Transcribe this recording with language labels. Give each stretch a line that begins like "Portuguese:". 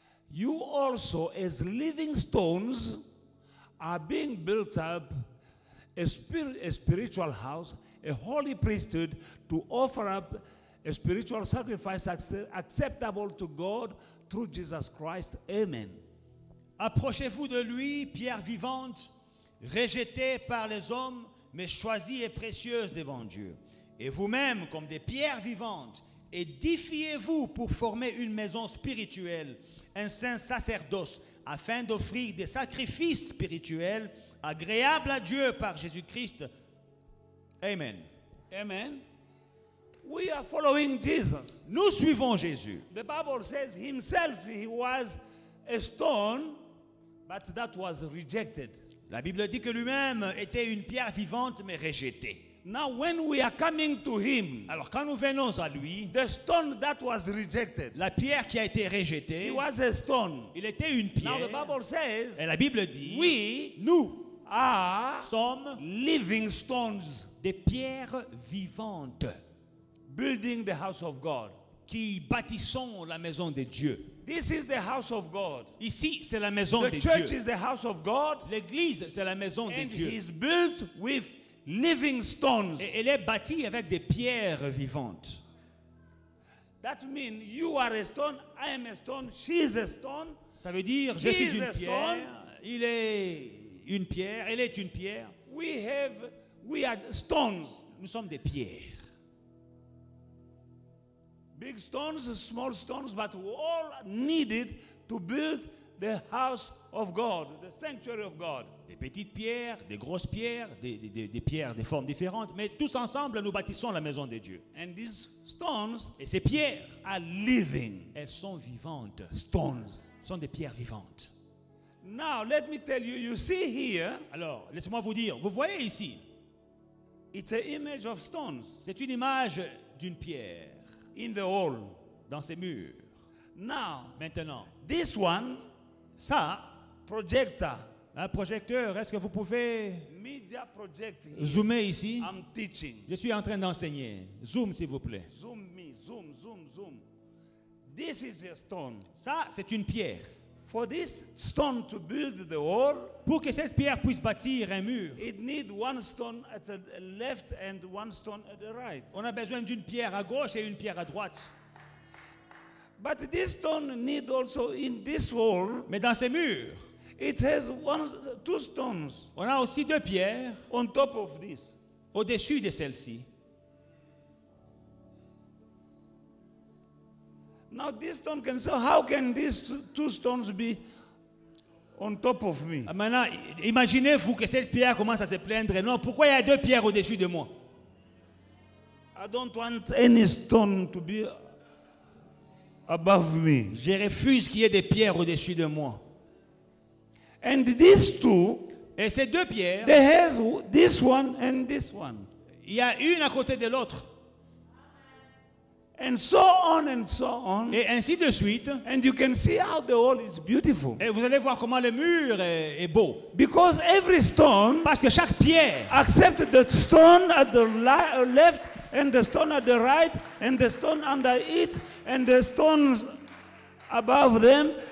English: You also, as living stones, are being built up a spiritual house, a holy priesthood, to offer up a spiritual sacrifice acceptable to God through Jesus Christ. Amen.
French: Approchez-vous de lui, pierre vivante, rejetée par les hommes, mais choisie et précieuse devant Dieu. Et vous-même, comme des pierres vivantes, édifiez-vous pour former une maison spirituelle, un saint sacerdoce, afin d'offrir des sacrifices spirituels agréable à Dieu par Jésus-Christ. Amen.
English: Amen. We are following Jesus.
French: Nous suivons Jésus.
English: The Bible says himself he was a stone, but that was rejected.
French: La Bible dit que lui-même était une pierre vivante mais rejetée.
English: Now when we are coming to him,
French: alors quand nous venons à lui,
English: the stone that was rejected,
French: la pierre qui a été rejetée,
English: he was a stone.
French: Il était une pierre.
English: Now the Bible says,
French: et la Bible dit,
English: we,
French: nous,
English: are
French: sommes
English: living stones,
French: des pierres vivantes,
English: building the house of God,
French: qui bâtissons la maison de Dieu.
English: This is the house of God.
French: Ici, c'est la maison
English: the
French: de Dieu.
English: The church is the house of God.
French: L'église, c'est la maison de Dieu.
English: And it is built with living stones.
French: Et elle est bâtie avec des pierres vivantes.
English: That means you are a stone, I am a stone, she is a stone.
French: Ça veut dire, je suis une pierre, il est une pierre, elle est une pierre.
English: We are stones.
French: Nous sommes des pierres.
English: Big stones, small stones, but we all needed to build the house of God, the sanctuary of God.
French: Des petites pierres, des grosses pierres, des pierres, des formes différentes, mais tous ensemble, nous bâtissons la maison de Dieu.
English: And these stones,
French: et ces pierres,
English: are living.
French: Elles sont vivantes.
English: Stones
French: sont des pierres vivantes.
English: Now, let me tell you, you see here.
French: Alors, laissez-moi vous dire, vous voyez ici.
English: It's an image of stones.
French: C'est une image d'une pierre.
English: In the hall,
French: dans ces murs.
English: Now,
French: maintenant,
English: this one,
French: ça,
English: projector,
French: un projecteur, est-ce que vous pouvez
English: media project
French: zoomer ici?
English: I'm teaching.
French: Je suis en train d'enseigner. Zoom, s'il vous plaît.
English: Zoom me, zoom, zoom, zoom. This is a stone.
French: Ça, c'est une pierre.
English: For this stone to build the wall,
French: pour que cette pierre puisse bâtir un mur,
English: it need one stone at the left and one stone at the right.
French: On a besoin d'une pierre à gauche et une pierre à droite.
English: But this stone need also in this wall.
French: Mais dans ces murs,
English: it has one, two stones.
French: On a aussi deux pierres
English: on top of this.
French: Au-dessus de celle-ci.
English: Now this stone can say, how can these two stones be on top of me?
French: Maintenant, imaginez-vous que cette pierre commence à se plaindre. Non, pourquoi il y a deux pierres au-dessus de moi?
English: I don't want any stone to be above me.
French: Je refuse qu'il y ait des pierres au-dessus de moi.
English: And these two,
French: et ces deux pierres,
English: they have this one and this one.
French: Il y a une à côté de l'autre.
English: And so on and so on.
French: Et ainsi de suite.
English: And you can see how the wall is beautiful.
French: Et vous allez voir comment le mur est beau.
English: Because every stone,
French: parce que chaque pierre,
English: accept the stone at the left and the stone at the right and the stone under it and the stones above them.